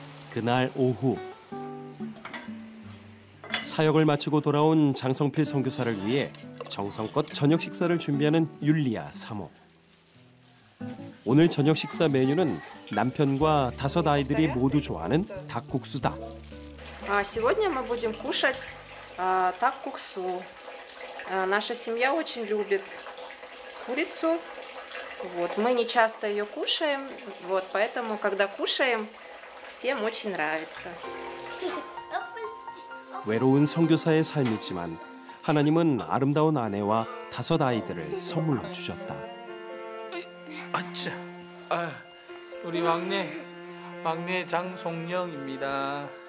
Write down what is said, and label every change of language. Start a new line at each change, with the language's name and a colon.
Korean: 그날 오후 사역을 마치고 돌아온 장성필 선교사를 위해 정성껏 저녁 식사를 준비하는 율리아 사모. 오늘 저녁 식사 메뉴는 남편과 다섯 아이들이 모두 좋아하는 닭국수다.
Russian: 아, сегодня мы будем кушать таккуксу. Наша семья очень любит курицу. Вот мы не часто ее кушаем, вот поэтому когда кушаем всем очень нравится.
Korean: 외로운 선교사의 삶이지만 하나님은 아름다운 아내와 다섯 아이들을 선물로 주셨다. 아차, 아, 우리 막내, 막내 장송영입니다.